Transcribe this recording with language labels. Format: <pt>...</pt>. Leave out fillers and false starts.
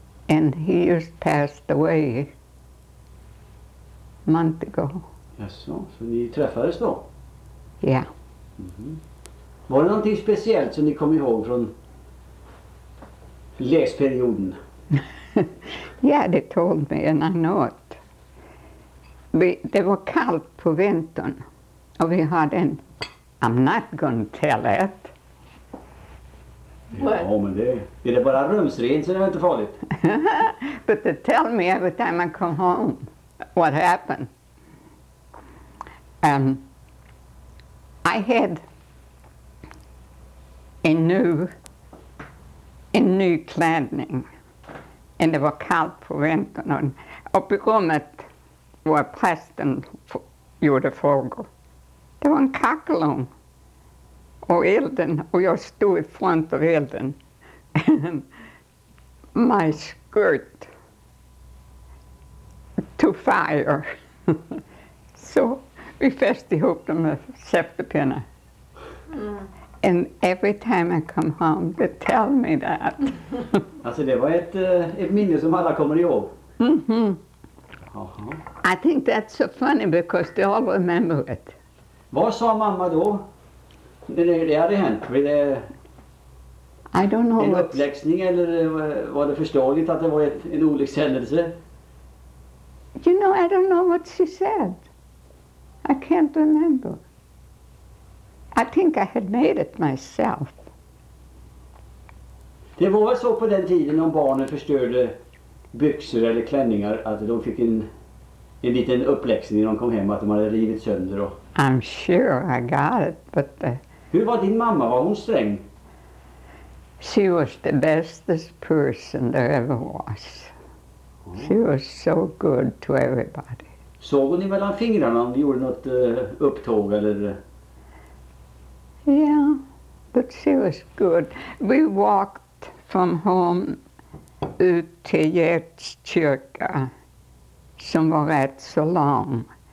<en>And he just passed away a month ago.</en> <sv>Jaså, så ni träffades då? Ja. Yeah. Mm-hmm. Var det någonting speciellt som ni kom ihåg från... läsperioden?</sv> <en>Ja, det told me and I know it.</en> <sv>Det var kallt på vintern och vi hade en...</sv> <en>I'm not going to tell it. What?</en> <sv>Ja, men det... Är det bara rumsrent så är det inte farligt.</sv> <en>But they tell me every time I come home what happened. I had</en> <sv>en ny klädning. Och det var kallt på vintern. Uppe i rummet var prästen gjorde frågor. Det var en kakelugn. Och elden. Och jag stod i front av elden.</sv> <en>My skirt to fire.</en> <sv>Så vi fäste ihop dem med septepinnar.</sv> <en>And every time I come home, they tell me that.</en> <sv>Alltså det var ett minne som alla kommer ihåg.</sv> <en>I think that's so funny because they all remember it.</en> <sv>Vad sa mamma då? Det hade hänt. Var det</sv> <en>I don't know</en> <sv>en uppläxning eller var det förståeligt att det var en olyckshändelse?</sv> <en>You know, I don't know what she said. I can't remember. I think I had made it myself.</en> <sv>Det var så på den tiden om barnen förstörde byxor eller klänningar att de fick en liten uppläxning när de kom hem att de hade rivit sönder och...</sv> <en>I'm sure I got it, but...</en> <sv>Hur var din mamma? Var hon sträng?</sv> <en>She was the bestest person there ever was. Oh. She was so good to everybody.</en> <sv>Såg hon ni mellan fingrarna om ni gjorde något upptåg eller...</sv> <en>Yeah, but she was good. We walked from home</en> <sv>ut till Gerts kyrka, som var rätt så lång.</sv>